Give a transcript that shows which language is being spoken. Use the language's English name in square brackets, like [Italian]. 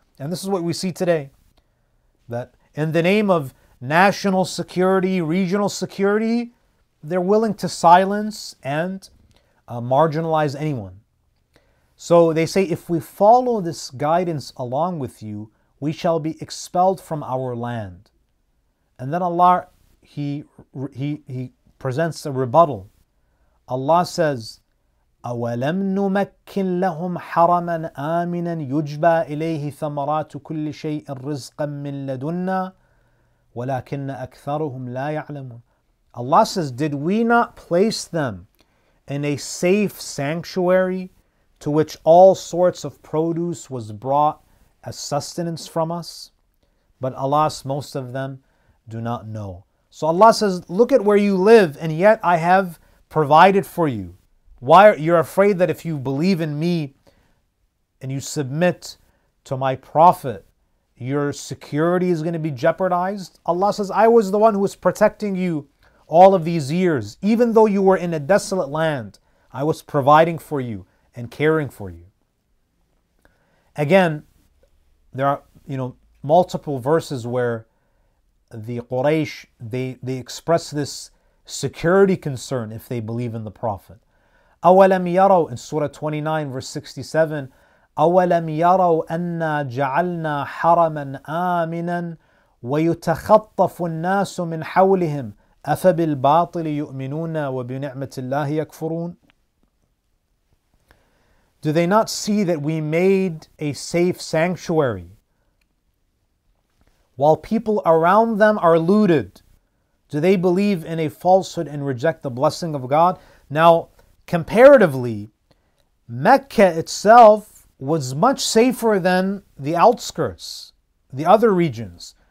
[English] And this is what we see today, that in the name of national security, regional security, they're willing to silence and marginalize anyone. So they say, if we follow this guidance along with you, we shall be expelled from our land. And then Allah, he presents a rebuttal. Allah says, [Arabic] أَوَلَمْ نُمَكِّنْ لَهُمْ حَرَمًا آمِنًا يُجْبَى إِلَيْهِ ثَمَرَاتُ كُلِّ شَيْءٍ رِزْقًا مِّنْ لَدُنَّا وَلَكِنَّ أَكْثَرُهُمْ لَا يَعْلَمُونَ. [English] Allah says, did we not place them in a safe sanctuary to which all sorts of produce was brought as sustenance from us? But alas, most of them do not know. So Allah says, look at where you live, and yet I have provided for you. Why are you afraid that if you believe in me and you submit to my prophet, your security is going to be jeopardized? Allah says, I was the one who was protecting you all of these years. Even though you were in a desolate land, I was providing for you and caring for you. Again, there are, you know, multiple verses where the Quraysh, they express this security concern if they believe in the prophet. [Arabic] أَوَلَمْ يَرَوْا [English] in Surah 29, verse 67, [Arabic] أَوَلَمْ يَرَوْا أَنَّا جَعَلْنَا حَرَمًا آمِنًا وَيُتَخَطَّفُ النَّاسُ مِنْ حَوْلِهِمْ أَفَبِالْبَاطِلِ يُؤْمِنُونَ وَبِنِعْمَةِ اللَّهِ يَكْفُرُونَ. [English] Do they not see that we made a safe sanctuary while people around them are looted? Do they believe in a falsehood and reject the blessing of God? Now, comparatively, Mecca itself was much safer than the outskirts, the other regions.